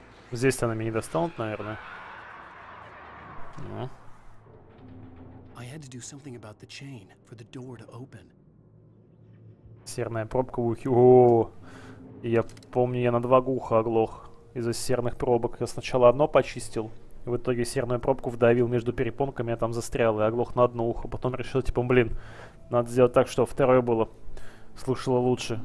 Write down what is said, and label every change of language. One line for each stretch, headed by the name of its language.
Russian: Здесь-то она меня не достанут, наверное.
English: I had to do something about the chain for the door to open.
Russian: Серная пробка в ухе. О, я помню, я на два гуха оглох из-за серных пробок. Я сначала одно почистил, и в итоге серную пробку вдавил между перепонками, я там застрял, и оглох на одно ухо. Потом решил, типа, блин, надо сделать так, чтобы второе было слышало лучше.